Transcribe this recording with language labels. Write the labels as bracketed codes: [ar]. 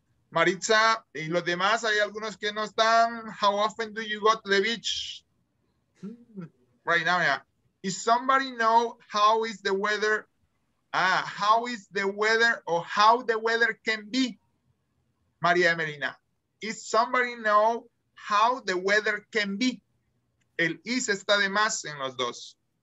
[es] Maritza, y los demás, hay algunos que no están. [en] How often do you go to the beach? Right now, yeah. Does somebody know how is the weather How is the weather or how the weather can be? Maria Emelina, is somebody know how the weather can be? [es] El is está de más en los dos.